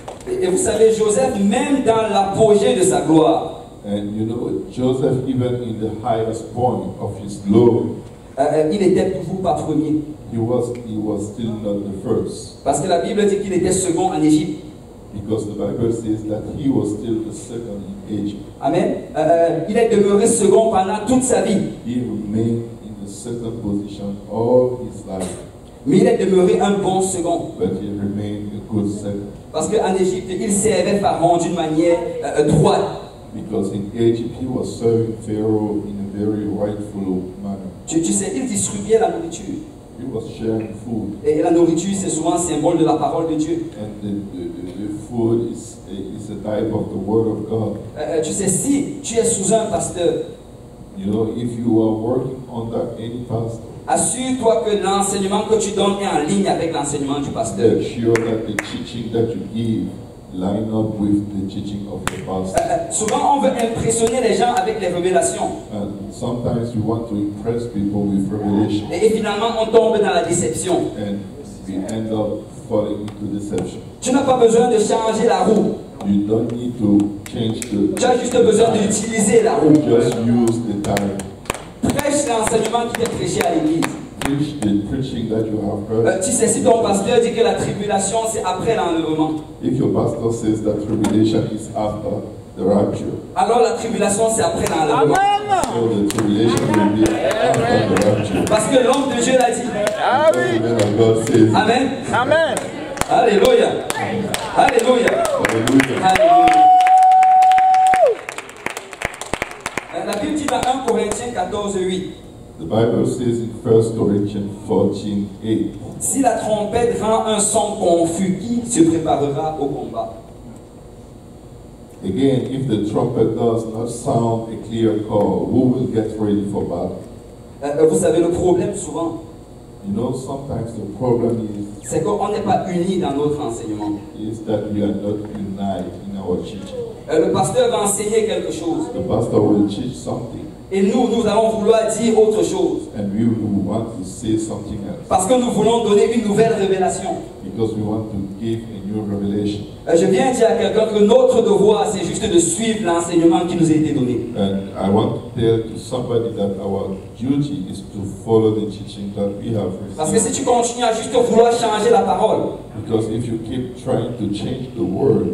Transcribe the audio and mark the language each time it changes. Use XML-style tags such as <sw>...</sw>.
<fr>Et vous savez, Joseph, même dans l'apogée de sa gloire.</fr> <en>And you know, Joseph, even in the highest point of his glory.</en> <fr>Il était toujours pas premier.</fr> <en>He was still not the first.</en> <fr>Parce que la Bible dit qu'il était second en Égypte.</fr> <en>Because the Bible says that he was still the second in Egypt. Amen.</en> <fr>Il est demeuré second pendant toute sa vie.</fr> <en>He remained in the second position all his life.</en> <fr>Mais il est demeuré un bon second.</fr> <en>But he remained a good second.</en> <fr>Parce qu'en Égypte, il servait Pharaon d'une manière droite.</fr> <en>Because in Egypt, he was serving Pharaoh in a very rightful manner.</en> <fr>Tu sais, il distribuait la nourriture.</fr> <en>He was sharing food.</en> <fr>Et la nourriture, c'est souvent symbole de la parole de Dieu.</fr> <en>And the food is a type of the word of God.</en> <fr>Tu sais, si tu es sous un pasteur,</fr> <en>you know, if you are working under any pastor,</en> <fr>assure-toi que l'enseignement que tu donnes est en ligne avec l'enseignement du pasteur.</fr> <en>Make sure that the teaching that you give line up with the teaching of the pastor.</en> <fr>Souvent, on veut impressionner les gens avec les révélations.</fr> <en>And sometimes you want to impress people with revelation.</en> <fr>Et finalement, on tombe dans la déception.</fr> <en>And we end up falling into deception.</en> <fr>Tu n'as pas besoin de changer la roue.</fr> <en>You don't need to change the.</en> <fr>Tu as juste besoin d'utiliser la roue.</fr> <en>Just use the time.</en> <fr>Prêche l'enseignement qui t'est prêché à l'église.</fr> <en>Preach the preaching that you have heard.</en> <fr>Tu sais, si ton pasteur dit que la tribulation c'est après l'enlèvement.</fr> <en>If your pastor says that tribulation is after the rapture.</en> <fr>Alors la tribulation c'est après l'enlèvement. Amen.</fr> <en>So the tribulation will be after the rapture.</en> <fr>Parce que l'homme de Dieu l'a dit. Amen.</fr> <en>Amen. God says. Amen. Amen. Alléluia. Alléluia. Alléluia.</en> <fr>Alléluia. La Bible dit dans 1 Corinthiens 14, 8.</fr> <en>The Bible says in 1 Corinthians 14, 8.</en> <fr>Si la trompette rend un son confus, qui se préparera au combat?</fr> <en>Again, if the trumpet does not sound a clear call, who will get ready for battle?</en> <fr>Vous savez, le problème souvent,</fr> <en>you know, sometimes the problem is,</en> <fr>c'est qu'on n'est pas unis dans notre enseignement.</fr> <en>Is that we are not united in our teaching.</en> <fr>Le pasteur va enseigner quelque chose.</fr> <en>The pastor will teach something.</en> <fr>Et nous allons vouloir dire autre chose.</fr> <en>And we will want to say something else.</en> <fr>Parce que nous voulons donner une nouvelle révélation.</fr> <en>Because we want to give a new revelation.</en> <fr>Je viens dire à quelqu'un que notre devoir, c'est juste de suivre l'enseignement qui nous a été donné.</fr> <en>And I want to tell to somebody that our duty is to follow the teaching that we have received.</en> <fr>Parce que si tu continues à juste vouloir changer la parole,</fr> <en>because if you keep trying to change the word,</en>